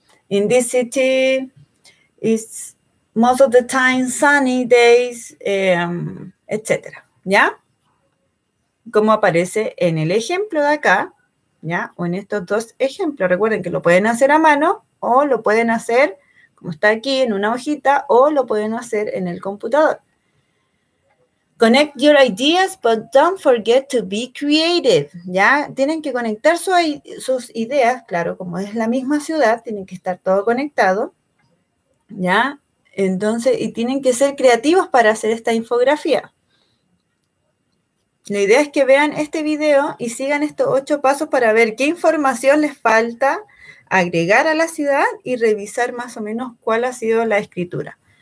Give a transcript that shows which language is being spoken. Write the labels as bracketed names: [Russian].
[English] In this city, it's most of the time sunny days, etc. [Spanish] ¿Ya? Como aparece en el ejemplo de acá, ¿ya? O en estos dos ejemplos. Recuerden que lo pueden hacer a mano o lo pueden hacer, como está aquí, en una hojita o lo pueden hacer en el computador. [English] Connect your ideas, but don't forget to be creative. [Spanish] Ya tienen que conectar sus ideas, claro, como es la misma ciudad, tienen que estar todo conectado. Ya, entonces, y tienen que ser creativos para hacer esta infografía. La idea es que vean este video y sigan estos 8 pasos para ver qué información les falta agregar a la ciudad y revisar más o menos cuál ha sido la escritura.